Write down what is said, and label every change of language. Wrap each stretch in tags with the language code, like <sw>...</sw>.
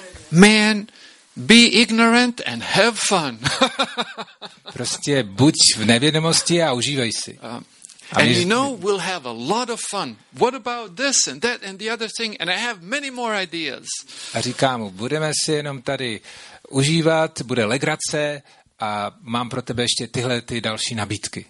<en>Man, be ignorant and have fun.</en> <cs>Prostě buď v nevědomosti a užívej si.</cs> <en>And you know, we'll have a lot of fun. What about this and that and the other thing? And I have many more ideas.</en> <cs>A říkám mu, budeme si jenom tady užívat, bude legrace a mám pro tebe ještě tyhle ty další nabídky.</cs>